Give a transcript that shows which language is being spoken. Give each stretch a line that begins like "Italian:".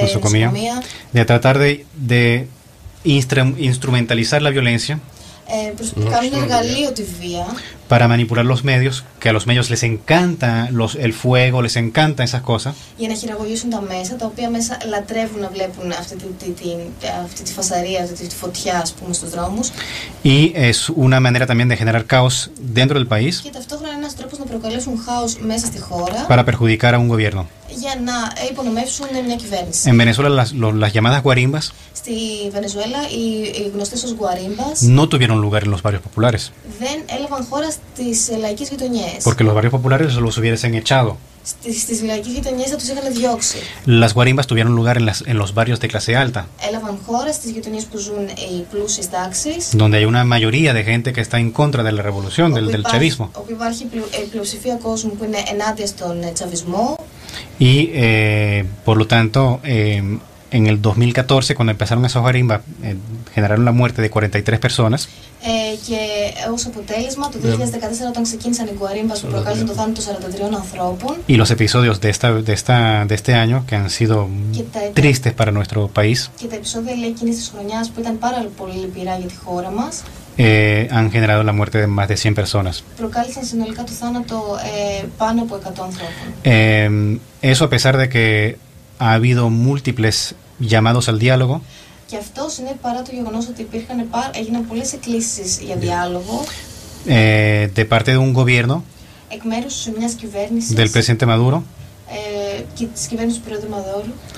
Spanish: nosocomía, de tratar de instrumentalizar la violencia,
Greek: κάνουν εργαλείο τη βία.
Spanish: Para manipular los medios, que a los medios les encanta los, el fuego, les encanta esas cosas.
Greek: Για να χειραγωγήσουν τα μέσα, τα οποία μέσα λατρεύουν να βλέπουν αυτή τη φασαρία, αυτή τη φωτιά, ας πούμε, στους δρόμους.
Spanish: Y es una manera también de generar caos dentro del país.
Greek: Και ταυτόχρονα είναι ένας τρόπος να προκαλέσουν χάος μέσα στη χώρα.
Spanish: Para perjudicar a un gobierno.
Greek: Για να υπονομεύσουν μια κυβέρνηση.
Spanish: En Venezuela, las llamadas guarimbas.
Greek: Στη Βενεζουέλα, οι γνωστές ως guarimbas.
Spanish: No tuvieron lugar en los barrios populares.
Greek: Δεν έλαβαν χώρα στις λαϊκές γειτονιές.
Spanish: Porque los barrios populares los hubiesen echado.
Greek: Στις λαϊκές γειτονιές θα τους είχαν διώξει.
Spanish: Las guarimbas tuvieron lugar en los barrios de clase alta.
Greek: Έλαβαν χώρα στις γειτονιές που ζουν οι πλούσιες τάξεις.
Spanish: Donde hay una mayoría de gente que está en contra de la revolución, del chavismo.
Greek: Όπου υπάρχει πλειοψηφία κόσμου που είναι ενάντια στον τσαβισμό.
Spanish: Y por lo tanto, en el 2014, cuando empezaron esas guarimbas, generaron la muerte de 43 personas.
Greek: Και ως αποτέλεσμα, το 2014, όταν ξεκίνησαν οι guarimbas που προκάλεσαν το θάνατο 43 ανθρώπων.
Spanish: Y los episodios de este año, que han sido tristes para nuestro país.
Greek: Και τα επεισόδια εκείνης της χρονιάς που ήταν πάρα πολύ λυπηρά για τη χώρα μας.
Spanish: Han generado la muerte de más de 100 personas.
Greek: Προκάλεσαν συνολικά το θάνατο πάνω από 100 ανθρώπων.
Spanish: Eso a pesar de que ha habido múltiples llamados al diálogo.
Greek: Και αυτό είναι παρά το γεγονός ότι έγιναν πολλές εκκλήσεις για διάλογο.
Spanish: De parte de un gobierno.
Greek: Εκ μέρους μιας κυβέρνησης.
Spanish: Del presidente Maduro.
Greek: Και της κυβέρνησης του πρόεδρου Μαδούρου.